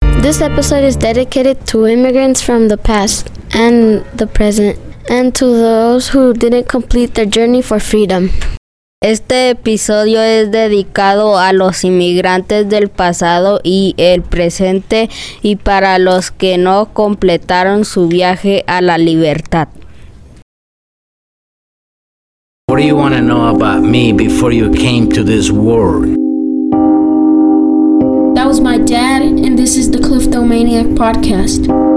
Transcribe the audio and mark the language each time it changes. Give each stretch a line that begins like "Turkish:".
English: This episode is dedicated to immigrants from the past and the present, and to those who didn't complete their journey for freedom.
Spanish: Este episodio es dedicado a los inmigrantes del pasado y el presente y para los que no completaron su viaje a la libertad.
English: What do you want to know about me before you came to this world? That was my dad, and this is the Kleptomaniac Podcast.